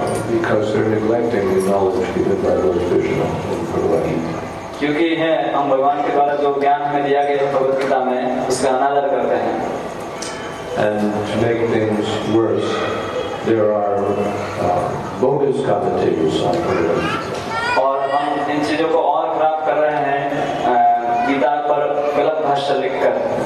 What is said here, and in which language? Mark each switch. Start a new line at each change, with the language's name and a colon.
English: Because they're neglecting the knowledge given by Lord Krishna in Bhagavad Gita.
Hindi: क्योंकि है हम भगवान के द्वारा जो ज्ञान हमें दिया गया है भगवत गीता में उसका अनादर करते हैं.
English: And to make things worse, there are bogus commentators on Bhagavad Gita.
Hindi: और हम इन चीजों को और खराब कर रहे हैं गीता पर गलत भाष्य लिखकर.